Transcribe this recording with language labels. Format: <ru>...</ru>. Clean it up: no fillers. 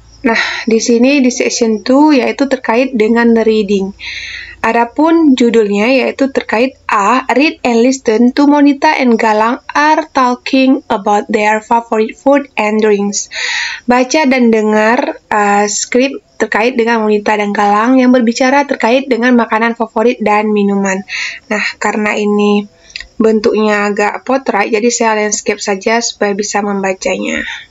<id>Nah, di sini di section 2 yaitu terkait dengan reading. Adapun judulnya yaitu terkait A.</id> <en>Read and listen to Monita and Galang are talking about their favorite food and drinks.</en> <id>Baca dan dengar skrip terkait dengan Monita dan Galang yang berbicara terkait dengan makanan favorit dan minuman. Nah, karena ini bentuknya agak potret, jadi saya landscape saja supaya bisa membacanya.</id>